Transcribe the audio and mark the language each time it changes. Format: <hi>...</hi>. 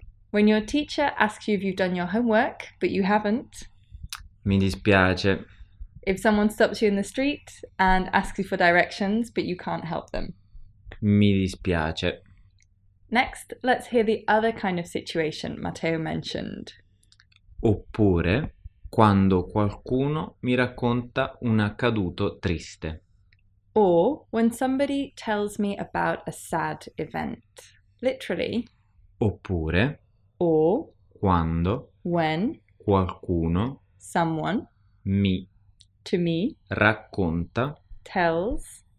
<en>When your teacher asks you if you've done your homework, but you haven't.</en> <it>Mi dispiace.</it> <en>If someone stops you in the street and asks you for directions, but you can't help them.</en> <it>Mi dispiace.</it> <en>Next, let's hear the other kind of situation Matteo mentioned.</en> <it>Oppure, quando qualcuno mi racconta un accaduto triste.</it> <en>Or when somebody tells me about a sad event. Literally.</en> <it>Oppure.</it> <en>Or.</en> <it>Quando.</it> <en>When.</en> <it>Qualcuno.</it> <en>Someone.</en> <it>Mi.</it> <en>To me.</en> <it>Racconta.</it> <en>Tells.</en>